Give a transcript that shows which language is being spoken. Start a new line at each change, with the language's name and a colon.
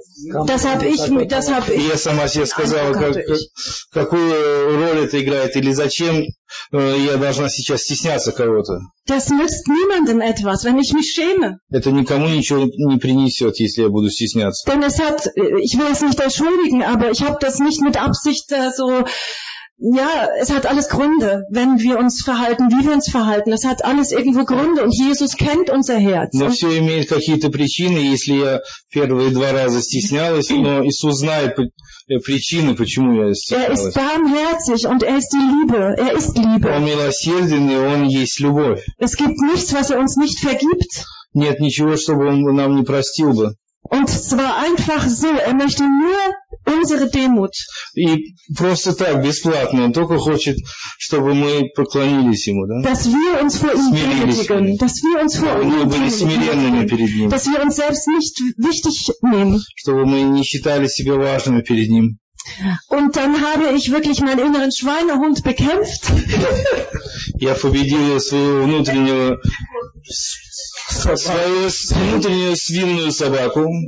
Russian: Я сама себе сказала, какую роль это играет или зачем я должна сейчас стесняться кого-то.
German: Das nützt niemandem etwas, wenn ich mich schäme.
Russian: Это никому ничего не принесет, если я буду стесняться.
German: Denn es hat, ich will es nicht entschuldigen, aber ich habe das nicht mit Absicht so. Ja, es hat alles Gründe, wenn wir uns verhalten, wie wir uns verhalten. Es hat alles irgendwo Gründe und Jesus kennt unser Herz.
Russian: Но все имеет какие-то причины, если я первые два раза стеснялась, но Иисус знает причины, почему я стеснялась.
German: Er ist barmherzig und er ist die Liebe. Er ist Liebe.
Russian: Он милосерден и он есть любовь.
German: Es gibt nichts, was er uns nicht vergibt.
Russian: Нет ничего, чтобы он нам не простил бы.
German: Und zwar einfach so, er möchte nur unsere Demut.
Russian: И просто так, бесплатно, он только хочет, чтобы мы поклонились ему, да?
German: Dass wir uns vor ihm demütigen, dass wir uns vor ihm demütigen, dass wir uns selbst nicht wichtig nehmen.
Russian: Чтобы мы не считали себя важными перед ним.
German: Und dann habe ich wirklich meinen inneren Schweinehund bekämpft.
Russian: Я победил своего внутреннего внутреннюю свиную собаку.